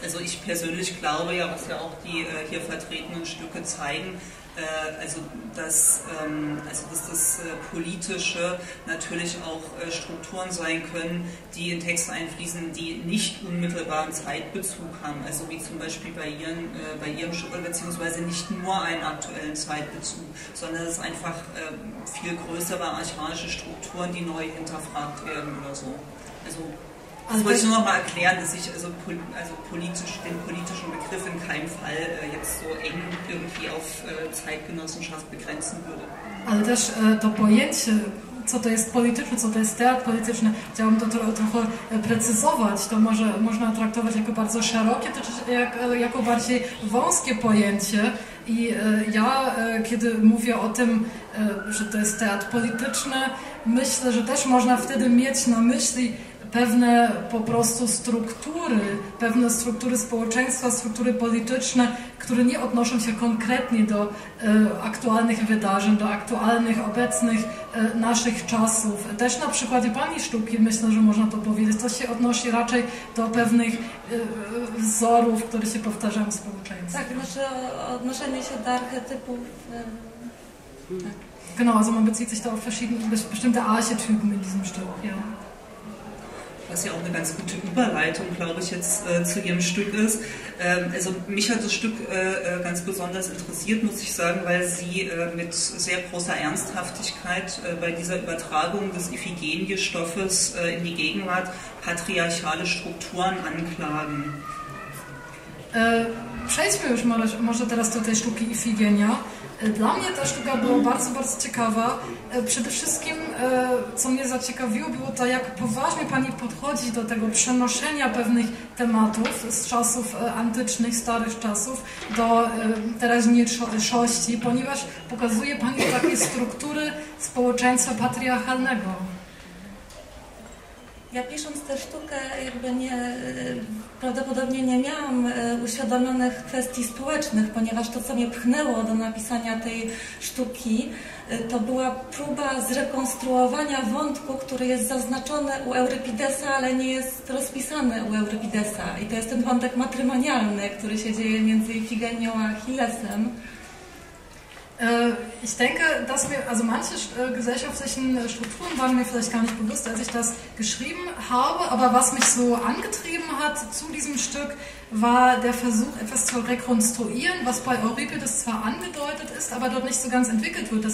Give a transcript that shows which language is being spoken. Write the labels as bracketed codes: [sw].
[de] Also ich persönlich glaube ja, was ja auch die hier vertretenen Stücke zeigen, dass das Politische natürlich auch Strukturen sein können, die in Texte einfließen, die nicht unmittelbaren Zeitbezug haben, also wie zum Beispiel bei ihrem Stück, beziehungsweise nicht nur einen aktuellen Zeitbezug, sondern es einfach viel größere archaische Strukturen, die neu hinterfragt werden oder so. Also das wollte ich nur noch mal erklären, dass ich den politischen Begriff in keinem Fall jetzt so eng irgendwie auf Zeitgenossenschaft begrenzen würde. [pl] Ale też to pojęcie, co to jest polityczne, co to jest teatr polityczny, chciałabym to trochę precyzować. To może można traktować jako bardzo szerokie, to czy jako bardziej wąskie pojęcie. I ja, kiedy mówię o tym, że to jest teatr polityczny, myślę, że też można wtedy mieć na myśli pewne po prostu struktury, pewne struktury społeczeństwa, struktury polityczne, które nie odnoszą się konkretnie do aktualnych wydarzeń, do aktualnych, obecnych naszych czasów. Też na przykładzie pani sztuki myślę, że można to powiedzieć. To się odnosi raczej do pewnych wzorów, które się powtarzają w społeczeństwie. Tak, znaczy odnoszenie się do archetypów. Tak. [de] Genau, also man bezieht sich da auf bestimmte Archetypen in diesem Stück, ja. Was ja auch eine ganz gute Überleitung, glaube ich, jetzt zu Ihrem Stück ist. Also mich hat das Stück ganz besonders interessiert, muss ich sagen, weil Sie mit sehr großer Ernsthaftigkeit bei dieser Übertragung des Iphigenie-Stoffes in die Gegenwart patriarchale Strukturen anklagen. [pl] Przejdźmy już może teraz do tej sztuki Iphigenia. Dla mnie ta sztuka była bardzo, bardzo ciekawa. Przede wszystkim, co mnie zaciekawiło, było to, jak poważnie pani podchodzi do tego przenoszenia pewnych tematów z czasów antycznych, starych czasów, do teraźniejszości, ponieważ pokazuje pani takie struktury społeczeństwa patriarchalnego. Ja pisząc tę sztukę, jakby nie, prawdopodobnie nie miałam uświadomionych kwestii społecznych, ponieważ to, co mnie pchnęło do napisania tej sztuki, to była próba zrekonstruowania wątku, który jest zaznaczony u Eurypidesa, ale nie jest rozpisany u Eurypidesa. I to jest ten wątek matrymonialny, który się dzieje między Ifigenią a Achillesem. [de] Ich denke, dass mir, also manche gesellschaftlichen Strukturen waren mir vielleicht gar nicht bewusst, als ich das geschrieben habe, aber was mich so angetrieben hat zu diesem Stück, war der Versuch, etwas zu rekonstruieren, was bei Euripides zwar angedeutet ist, aber dort nicht so ganz entwickelt wird.